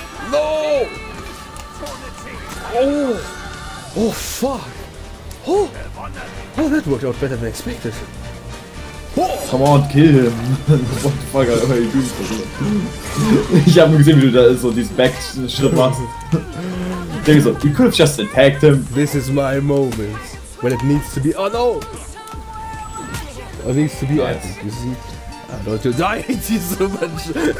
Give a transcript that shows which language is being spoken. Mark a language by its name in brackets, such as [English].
[English] No! Oh fuck! Oh, that worked out better than expected. Come on, kill him! What the fuck are you doing for him? [German] Ich hab nur gesehen, wie du da so diesen Backschritt machst. [English] Ich denke so, you could have just attacked him. This is my moment. When it needs to be. Oh no! It needs to be nice. Epic, you see? Don't you die, I hate you so much!